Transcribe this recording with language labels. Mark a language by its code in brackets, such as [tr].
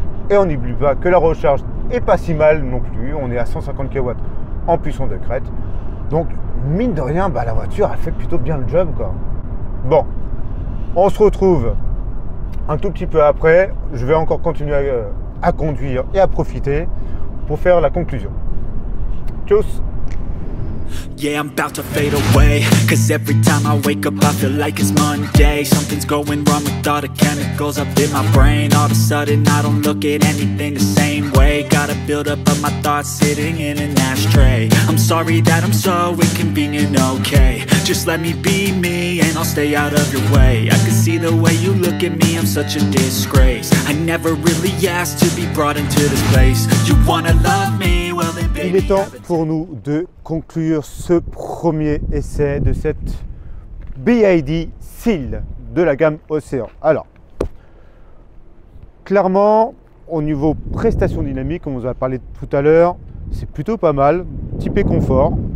[fr] Et on n'oublie pas que la recharge n'est pas si mal non plus. On est à 150 kW en puissance de crête. Donc, mine de rien, bah, la voiture a fait plutôt bien le job, quoi. Bon, on se retrouve un tout petit peu après. Je vais encore continuer à conduire et à profiter pour faire la conclusion. [de] Tchuss. [en] Yeah, I'm about to fade away. Cause every time I wake up, I feel like it's Monday. Something's going wrong with all the chemicals up in my brain. All of a sudden, I don't look at anything the same way. Gotta build up of my thoughts sitting in an ashtray. I'm sorry that I'm so inconvenient, okay. Just let me be me and I'll stay out of your way. I can see the way you look at me, I'm such a disgrace. I never really asked to be brought into this place. You wanna love me? [fr] Il est temps pour nous de conclure ce premier essai de cette BYD Seal de la gamme Océan. Alors, clairement, au niveau prestation dynamique, comme on vous a parlé tout à l'heure, c'est plutôt pas mal, typé confort.